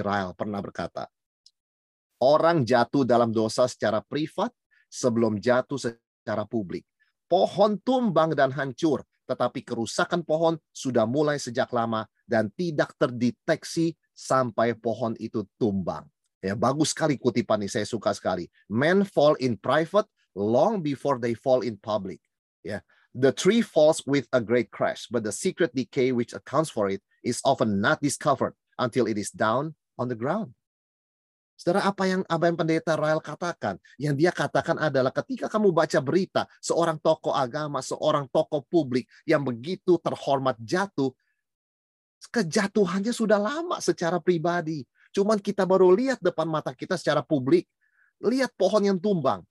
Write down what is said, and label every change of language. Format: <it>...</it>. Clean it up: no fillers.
<id>Ryle pernah berkata, orang jatuh dalam dosa secara privat sebelum jatuh secara publik. Pohon tumbang dan hancur, tetapi kerusakan pohon sudah mulai sejak lama dan tidak terdeteksi sampai pohon itu tumbang. Ya, bagus sekali kutipan ini, saya suka sekali.</id> <en>Men fall in private long before they fall in public. Ya. The tree falls with a great crash, but the secret decay which accounts for it is often not discovered until it is down on the ground.</en> <id>Saudara, apa yang pendeta Ryle katakan? Yang dia katakan adalah ketika kamu baca berita seorang tokoh agama, seorang tokoh publik yang begitu terhormat jatuh, kejatuhannya sudah lama secara pribadi. Cuman kita baru lihat depan mata kita secara publik. Lihat pohon yang tumbang.</id>